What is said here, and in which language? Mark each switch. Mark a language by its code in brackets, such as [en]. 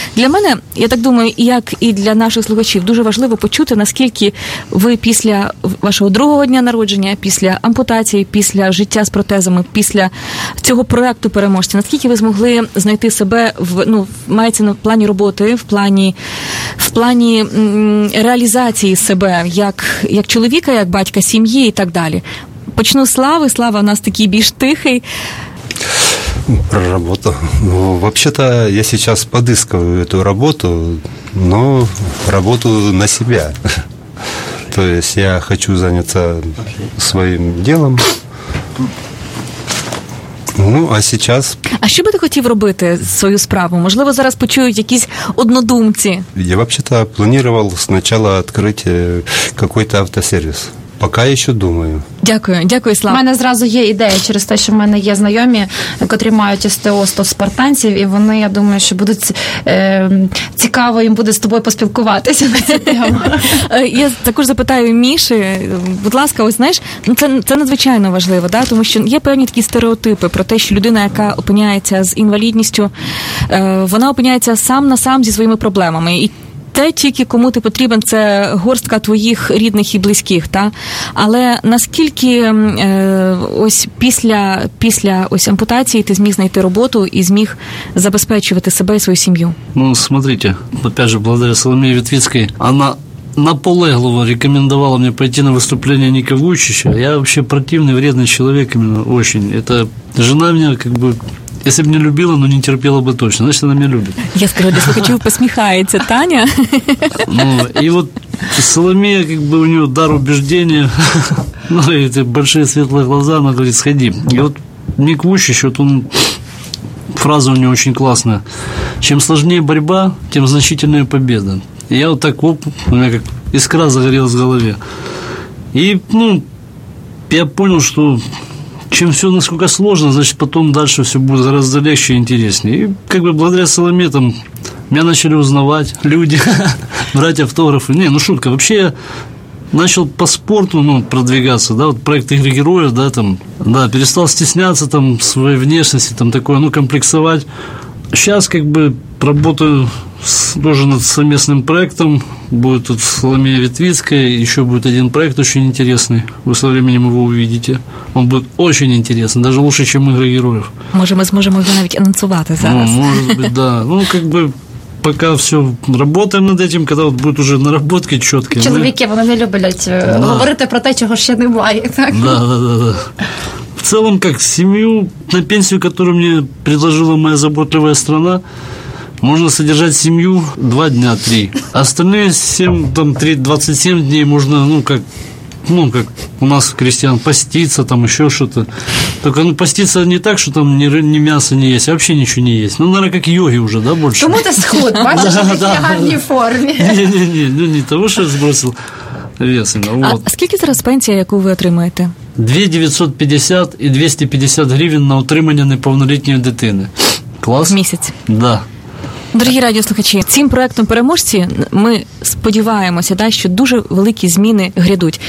[uk] Для мене, я так думаю, як і для наших слухачів, дуже важливо почути, наскільки ви після вашого другого дня народження, після ампутації, після життя з протезами, після цього проекту переможця, наскільки ви змогли знайти себе в, ну, мається на плані роботи, в плані реалізації себе як чоловіка, як батька сім'ї і так далі. Почну з Слави. Слава у нас такий більш тихий. Про роботу. [ru] Ну, вообще-то я сейчас подыскиваю эту работу, но работу на себя. То есть я хочу заняться своим делом. Ну, а сейчас... [uk] А що би ти хотів робити свою справу? Можливо, зараз почують якісь однодумці. [ru] Я вообще-то планировал сначала открыть какой-то автосервис. [uk] Пока ще думаю. Дякую, дякую, Слава. У мене зразу є ідея через те, що в мене є знайомі, котрі мають СТО 100 спартанців, і вони, я думаю, що будуть цікаво їм буде з тобою поспілкуватися на цю тему. Я також запитаю Міші, будь ласка, ось знаєш, це надзвичайно важливо, да? Тому що є певні такі стереотипи про те, що людина, яка опиняється з інвалідністю, вона опиняється сам на сам зі своїми проблемами. І те тільки кому ти потрібен, це горстка твоїх рідних і близьких, та? Але наскільки ось після ось ампутації ти зміг знайти роботу і зміг забезпечувати себе і свою сім'ю? [ru] Ну, смотрите, опять же, благодаря Соломії Вітвіцькій, [uk] вона наполегливо рекомендувала [ru] мне пойти на выступление Ника Вучича. Я вообще противный, вредный человек именно, очень. Это жена меня как бы... [uk] Якщо б не любила, ну не терпіла би точно. Значить, вона мене любить. Я скажу, для слухачів посміхається Таня. Ну, і от Соломія, як би у нього дар убеждення, ну, і ці великі світлі очі, вона говорить, сходи. І от Мік Вучич, от він, фраза у нього дуже класна. Чим складніше боротьба, тим значительніша перемога. І я от так, оп, у мене як іскра загорілась в голові. І, ну, я зрозумів, що... [ru] Чем все насколько сложно, значит, потом дальше все будет гораздо легче и интереснее. И как бы благодаря Соломе там меня начали узнавать люди, брать автографы. Не, ну шутка. Вообще я начал по спорту, ну, продвигаться, да, вот проект «Игры героев», да, там, да, перестал стесняться там своей внешности, там такое, ну, комплексовать. Сейчас как бы работаю тоже над совместным проектом. Будет тут Соломея Ветвицкая, еще будет один проект очень интересный. Вы со временем его увидите. Он будет очень интересный, даже лучше, чем «Игры героев». Может, мы сможем его даже [uk] анонсувати зараз. [ru] Ну, может быть, да. Ну, как бы, пока все работаем над этим, когда вот будет уже наработки четкие. [uk] Чоловіки, вони не люблять говорити про те, чего ще немає. [ru] Да. В целом, как семью, на пенсию, которую мне предложила моя заботливая страна, можно содержать семью 2 дня, 3. Остальные 7, там, 3, 27 дней можно, ну, как у нас, крестьян, поститься, там, еще что-то. Только, ну, поститься не так, что там ни мяса не есть, а вообще ничего не есть. Ну, наверное, как йоги уже, да, больше. [uk] Кому-то схуд, бачиш, в гарній формі. [ru] Не-не-не, не того, что сбросил вес. Вот. [uk] А скільки зараз пенсія, яку ви отримаєте? [ru] 2 950 и 250 гривен на утримання неповнолітньої дитини. [uk] Клас? В місяць? [ru] Да. [uk] Дорогі радіослухачі, цим проектом переможці ми сподіваємося, да, що дуже великі зміни грядуть.